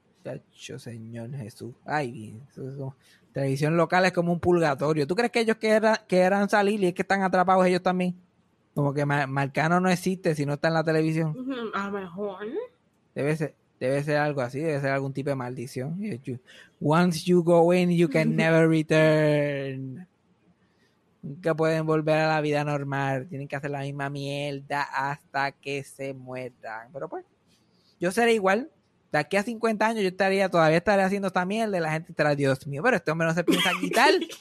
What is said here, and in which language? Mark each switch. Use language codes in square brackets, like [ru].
[es] Chacho, señor Jesús. Ay, televisión local es como un purgatorio. ¿Tú crees que ellos querrán salir y es que están atrapados ellos también? Como que Marcano no existe si no está en la televisión. A lo mejor. Debe ser algo así, debe ser algún tipo de maldición. [en] Once you go in, you can never return. [es] Nunca pueden volver a la vida normal. Tienen que hacer la misma mierda hasta que se mueran. Pero pues, yo seré igual. De aquí a 50 años yo estaría, todavía estaré haciendo esta mierda y la gente estará, Dios mío, pero este hombre no se piensa quitar.